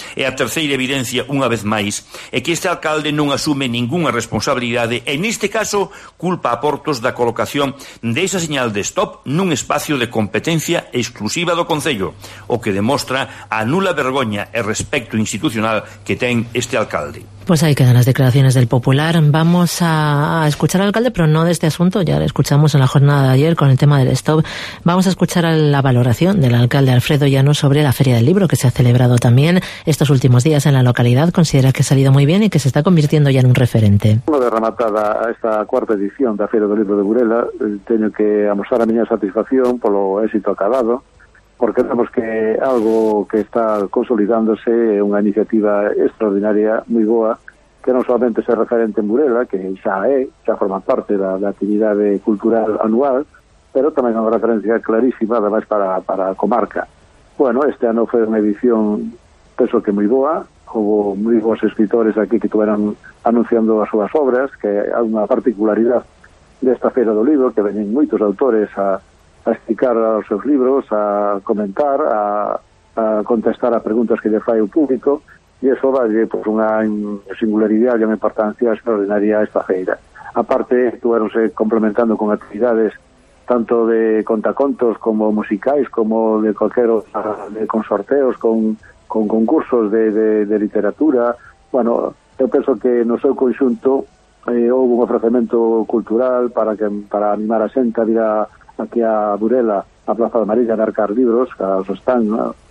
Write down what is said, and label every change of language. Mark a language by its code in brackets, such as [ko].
[gl] E a terceira evidencia, unha vez máis, é que este alcalde non asume ningunha responsabilidade e, neste caso, culpa a Portos da colocación desa señal de stop nun espacio de competencia exclusiva do Concello, o que demostra a nula vergoña e respecto institucional que ten este alcalde. [es] Pues ahí quedan las declaraciones del Popular. Vamos a escuchar al alcalde, pero no de este asunto. Ya lo escuchamos en la jornada de ayer con el tema del stop. Vamos a escuchar la valoración del alcalde Alfredo Llano sobre la Feria del Libro, que se ha celebrado también estos últimos días en la localidad. Considera que ha salido muy bien y que se está convirtiendo ya en un referente. Una vez rematada esta cuarta edición de la Feria del Libro de Burela, tengo que amosar a miña satisfacción por lo éxito acabado, porque vemos que algo que está consolidándose [gl] é unha iniciativa extraordinaria, moi boa, que non solamente se referente en Burela, que xa é, xa forma parte da actividade cultural anual, pero tamén unha referencia clarísima, ademais, para a comarca. Bueno, este ano foi unha edición, penso que moi boa, houve moi boas escritores aquí que estuveran anunciando as súas obras, que é unha particularidade desta Feira do Libro, que venen moitos autores a explicar os seus libros, a comentar, a contestar a preguntas que lle fai o público, e iso dálle pues, unha singularidade e unha importancia extraordinaria a esta feira. A parte, estuveronse complementando con actividades tanto de contacontos como musicais, como de cualquier con sorteos, con concursos de literatura. Bueno, eu penso que no seu conxunto houve un ofrecemento cultural para animar a xente a vir a aquí a Burela, a Plaza de Marilla, a marcar libros, a los stand, ¿no?